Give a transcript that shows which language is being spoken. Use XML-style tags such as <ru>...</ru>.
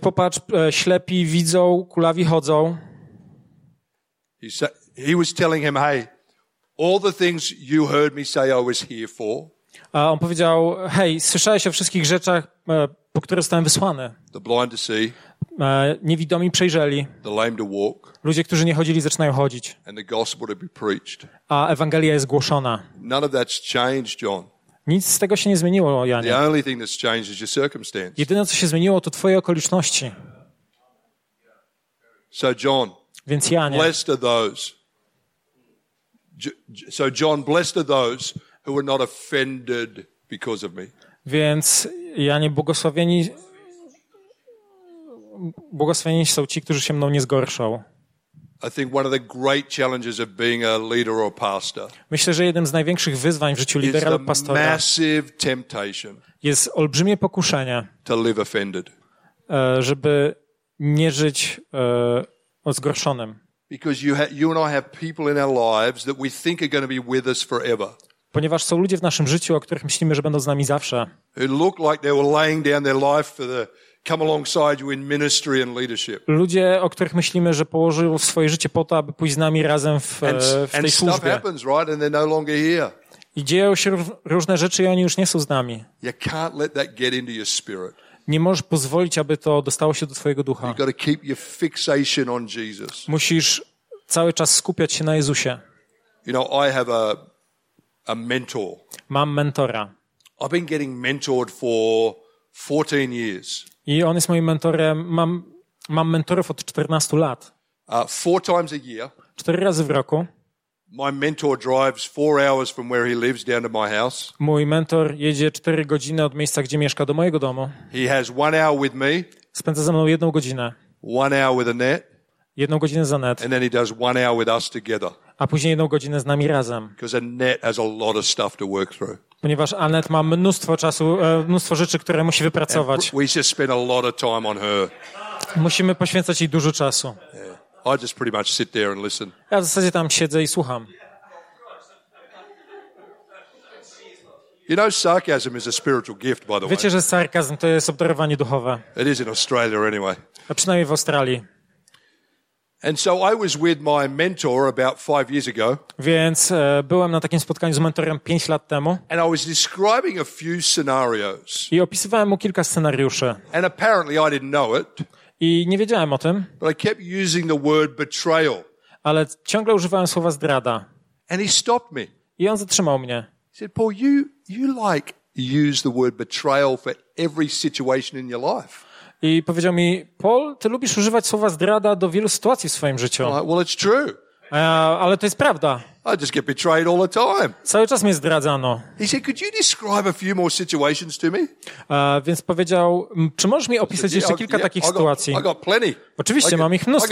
<pl>Popatrz, ślepi widzą, kulawi chodzą.</pl> <en>He was telling him, "Hey, all the things you heard me say I was here for."</en> <pl>On powiedział, "Hej, słyszałeś o wszystkich rzeczach, po które zostałem wysłany."</pl> <en>The blind to see.</en> <pl>niewidomi przejrzeli.</pl> <en>The lame to walk.</en> <pl>Ludzie, którzy nie chodzili, zaczynają chodzić.</pl> <en>And the gospel to be preached.</en> <pl>A Ewangelia jest głoszona.</pl> <en>None of that's changed, John.</en> <pl>Nic z tego się nie zmieniło, Janie.</pl> <en>The only thing that's changed is your circumstance.</en> <pl>Jedyne, co się zmieniło, to twoje okoliczności.</pl> <en>So John,</en> <pl>więc Janie,</pl> <en>blessed are those. So John, blessed are those who are not offended because of me.</en> <pl>Więc Janie, błogosławieni są ci, którzy się mną nie zgorszą.</pl> <en>I think one of the great challenges of being a leader or pastor.</en> <pl>Myślę, że jednym z największych wyzwań w życiu lidera lub pastora.</pl> <en>Massive temptation.</en> <pl>Jest olbrzymie pokuszenie.</pl> <en>To live offended.</en> <pl>Żeby nie żyć zgorszonym.</pl> <en>Because you and I have people in our lives that we think are going to be with us forever.</en> <pl>Ponieważ są ludzie w naszym życiu, o których myślimy, że będą z nami zawsze.</pl> <en>Who look like they were laying down their life for the come alongside you in ministry and leadership.</en> <pl>Ludzie, o których myślimy, że położyli swoje życie po to, aby pójść z nami razem w tej służbie.</pl> <en>And stuff happens, right? And they're no longer here.</en> <pl>I dzieją się różne rzeczy i oni już nie są z nami.</pl> <en>You can't let that get into your spirit.</en> <pl>Nie możesz pozwolić, aby to dostało się do twojego ducha.</pl> <en>You've got to keep your fixation on Jesus.</en> <pl>Musisz cały czas skupiać się na Jezusie.</pl> <en>You know, I have a mentor.</en> <pl>Mam mentora.</pl> <en>I've been getting mentored for 14 years.</en> <pl>I on jest moim mentorem. Mam mentorów od 14 lat.</pl> <en>Four times a year.</en> <pl>4 razy w roku.</pl> <en>My mentor drives 4 hours from where he lives down to my house.</en> <pl>Mój mentor jedzie 4 godziny od miejsca, gdzie mieszka, do mojego domu.</pl> <en>He has 1 hour with me.</en> <pl>Spędza ze mną 1 godzinę.</pl> <en>1 hour with Annette.</en> <pl>1 godzinę z Annette.</pl> <en>And then he does 1 hour with us together.</en> <pl>A później 1 godzinę z nami razem.</pl> <en>Because Annette has a lot of stuff to work through.</en> <pl>Ponieważ Annette ma mnóstwo czasu, mnóstwo rzeczy, które musi wypracować.</pl> <en>We just spend a lot of time on her.</en> <pl>Musimy poświęcać jej dużo czasu.</pl> <en>I just pretty much sit there and listen.</en> <pl>Ja w zasadzie tam siedzę i słucham.</pl> <en>You know, sarcasm is a spiritual gift, by the way.</en> <pl>Wiecie, że sarkazm to jest obdarowanie duchowe.</pl> <en>It is in Australia anyway.</en> <pl>A przynajmniej w Australii.</pl> <en>And so I was with my mentor about 5 years ago.</en> <pl>Więc byłem na takim spotkaniu z mentorem 5 lat temu.</pl> <en>And I was describing a few scenarios.</en> <pl>I opisywałem mu kilka scenariuszy.</pl> <en>And apparently I didn't know it.</en> <pl>I nie wiedziałem o tym.</pl> <en>But I kept using the word betrayal.</en> <pl>Ale ciągle używałem słowa zdrada.</pl> <en>And he stopped me.</en> <pl>I on zatrzymał mnie.</pl> <en>He said, "Paul, you like use the word betrayal for every situation in your life."</en> <pl>I powiedział mi, Paul, ty lubisz używać słowa zdrada do wielu sytuacji w swoim życiu.</pl> <en>Well, it's true.</en> <pl>Ale to jest prawda.</pl> <en>I just get betrayed all the time.</en> <pl>Cały czas mnie zdradzano.</pl> <en>He said, could you describe a few more situations to me?</en> <pl>Więc powiedział, czy możesz mi opisać jeszcze kilka takich sytuacji?</pl> <en>I got plenty.</en> <pl>Oczywiście, mam ich mnóstwo.</pl>